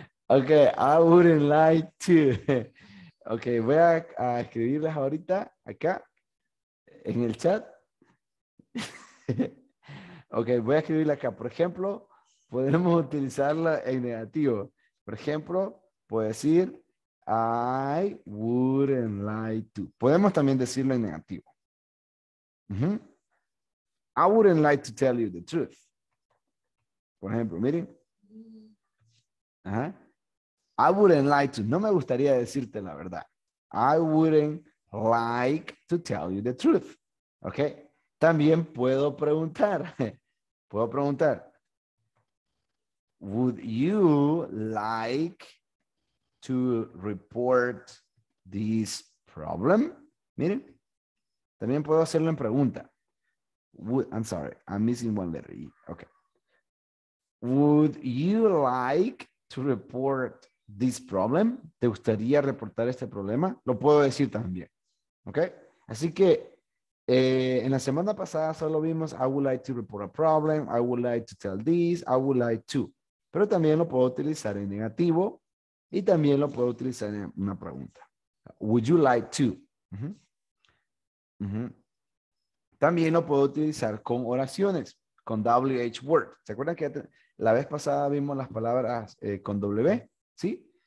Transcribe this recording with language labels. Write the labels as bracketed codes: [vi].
[en] Okay, I wouldn't like to. [es] Okay, voy a escribirles ahorita acá en el chat. Okay, voy a escribirla acá. Por ejemplo, podemos utilizarla en negativo. Por ejemplo, puedo decir [en] I wouldn't like to. [es] Podemos también decirlo en negativo. [en] Uh-huh. I wouldn't like to tell you the truth. [es] Por ejemplo, miren. Uh-huh. [en] I wouldn't like to. [es] No me gustaría decirte la verdad. [en] I wouldn't like to tell you the truth. [es] Ok. También puedo preguntar. Puedo preguntar. [en] Would you like to report this problem? [es] Miren. También puedo hacerlo en pregunta. [en] I'm missing one letter. [es] Ok. [en] Would you like to report this problem? [es] ¿Te gustaría reportar este problema? Lo puedo decir también. ¿Ok? Así que en la semana pasada solo vimos [en] I would like to report a problem, I would like to tell this, I would like to. [es] Pero también lo puedo utilizar en negativo y también lo puedo utilizar en una pregunta. [en] Would you like to? Uh-huh. Uh-huh. [es] También lo puedo utilizar con oraciones, con WH word. ¿Se acuerdan que la vez pasada vimos las palabras con W, ¿sí?